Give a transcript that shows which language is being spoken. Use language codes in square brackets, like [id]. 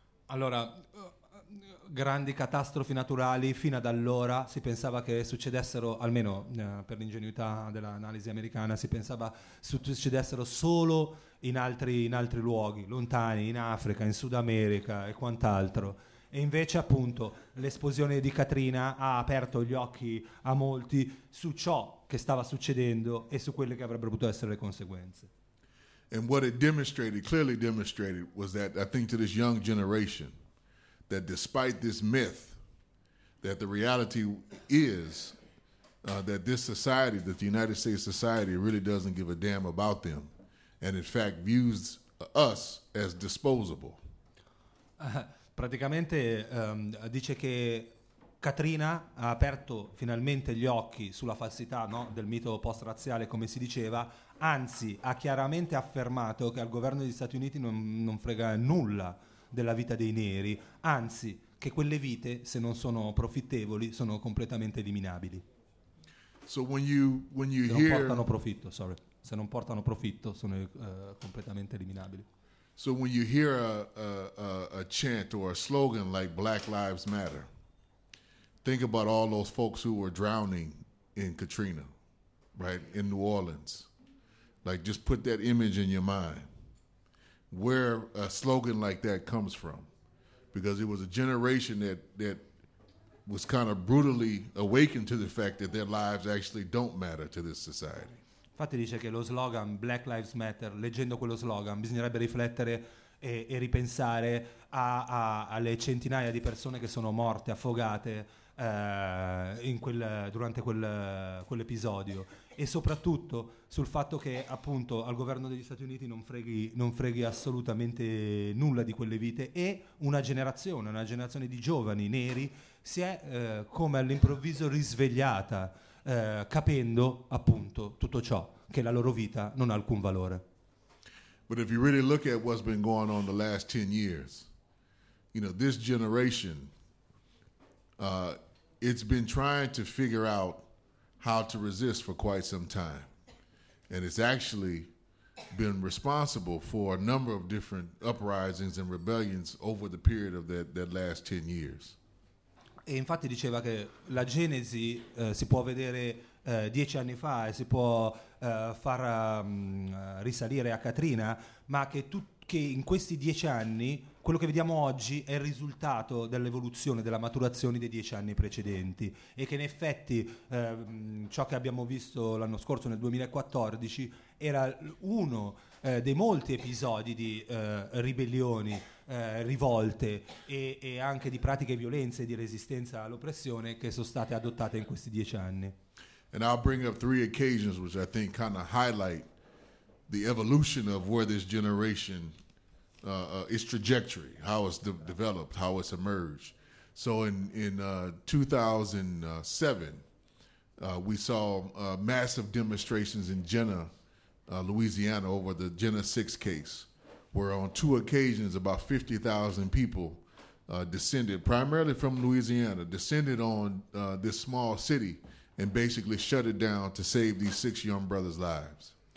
[it] Allora, grandi catastrofi naturali, fino ad allora si pensava che succedessero, almeno per l'ingenuità dell'analisi americana, si pensava succedessero solo in altri luoghi, lontani, in Africa, in Sud America e quant'altro. E invece appunto l'esplosione di Katrina ha aperto gli occhi a molti su ciò che stava succedendo e su quelle che avrebbero potuto essere le conseguenze. [en] And what it demonstrated, clearly demonstrated, was that I think to this young generation, that despite this myth, that the reality is that this society, that the United States society really doesn't give a damn about them, and in fact views us as disposable. [it] Praticamente dice che Katrina ha aperto finalmente gli occhi sulla falsità, no, del mito post-razziale, come si diceva, anzi ha chiaramente affermato che al governo degli Stati Uniti non frega nulla della vita dei neri, anzi che quelle vite, se non sono profittevoli, sono completamente eliminabili. [en] So when you [it] se non portano profitto, [en] sorry, [it] se non portano profitto sono completamente eliminabili. [en] So when you hear a chant or a slogan like Black Lives Matter, think about all those folks who were drowning in Katrina, right, in New Orleans. Like, just put that image in your mind, where a slogan like that comes from. Because it was a generation that was kind of brutally awakened to the fact that their lives actually don't matter to this society. [it] Infatti dice che lo slogan Black Lives Matter, leggendo quello slogan, bisognerebbe riflettere e ripensare alle centinaia di persone che sono morte, affogate durante quell'episodio. E soprattutto sul fatto che appunto al governo degli Stati Uniti non freghi assolutamente nulla di quelle vite, e una generazione di giovani neri si è come all'improvviso risvegliata, capendo appunto tutto ciò, che la loro vita non ha alcun valore. [en] But if you really look at what's been going on the last 10 years, you know, this generation, it's been trying to figure out how to resist for quite some time. And it's actually been responsible for a number of different uprisings and rebellions over the period of that last 10 years. [it] E infatti diceva che la genesi si può vedere 10 anni fa e si può far risalire a Katrina, ma che in questi 10 anni quello che vediamo oggi è il risultato dell'evoluzione, della maturazione dei 10 anni precedenti, e che in effetti ciò che abbiamo visto l'anno scorso nel 2014 era uno dei molti episodi di ribellioni, rivolte e anche di pratiche violenze e di resistenza all'oppressione che sono state adottate in questi 10 anni. [en] And I'll bring up three occasions which I think kind of highlight the evolution of where this generation its trajectory, how it's developed, how it's emerged. So in 2007, we saw massive demonstrations in Jenna, Louisiana, over the Jenna 6 case, where on two occasions about 50,000 people descended, primarily from Louisiana, descended on this small city and basically shut it down to save these six young brothers' lives.